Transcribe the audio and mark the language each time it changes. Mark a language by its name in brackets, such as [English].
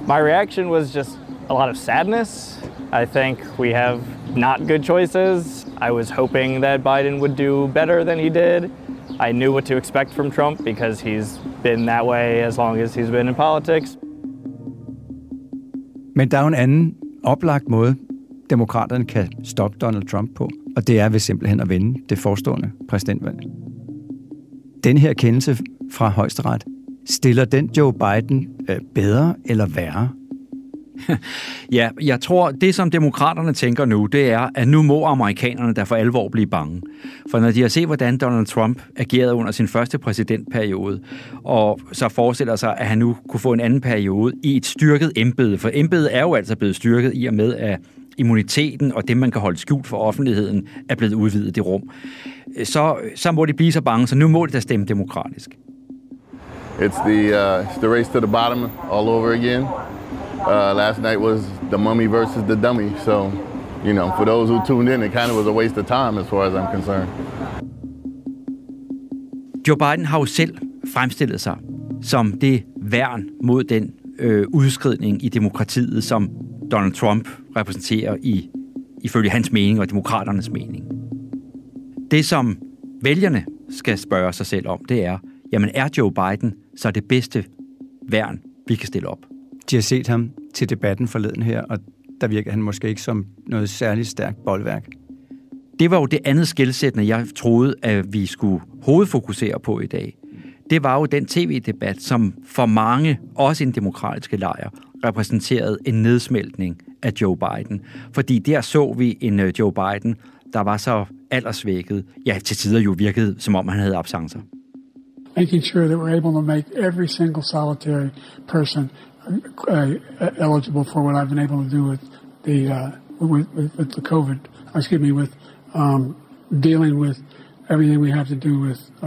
[English] My reaction was just a lot of sadness. I think we have not good choices. I was hoping that Biden would do better than he did. I knew what to expect from Trump because he's been that way as long as he's been in politics. [Danish] Men der er en anden oplagt måde, demokraterne kan stoppe Donald Trump på, og det er ved simpelthen at vinde det forestående præsidentvalg. Den her kendelse fra højesteret, stiller den Joe Biden bedre eller værre? Ja, jeg tror, det som demokraterne tænker nu, det er, at nu må amerikanerne da for alvor blive bange. For når de har set, hvordan Donald Trump agerede under sin første præsidentperiode, og så forestiller sig, at han nu kunne få en anden periode i et styrket embede, for embedet er jo altså blevet styrket i og med, at immuniteten og det, man kan holde skjult for offentligheden, er blevet udvidet i rum, så må de blive så bange, så nu må de da stemme demokratisk. [English] It's the race to the bottom all over again. Last night was the mummy versus the dummy, so, you know, for those who tuned in, it kind of was a waste of time as far as I'm concerned. [Danish] Joe Biden har jo selv fremstillet sig som det værn mod den udskridning i demokratiet, som Donald Trump repræsenterer ifølge hans mening og demokraternes mening. Det, som vælgerne skal spørge sig selv om, det er, jamen er Joe Biden så det bedste værn, vi kan stille op? De har set ham til debatten forleden her, og der virker han måske ikke som noget særligt stærkt boldværk. Det var jo det andet skelsættende, jeg troede, at vi skulle hovedfokusere på i dag. Det var jo den tv-debat, som for mange, også i den demokratiske lejr, repræsenterede en nedsmeltning af Joe Biden. Fordi der så vi en Joe Biden, der var så aldersvækket, ja, til tider jo virkede, som om han havde absencer. [English] Making sure that we're able to make every single solitary person eligible for what I've been able to do with the with the COVID, excuse me, with dealing with everything we have to do with.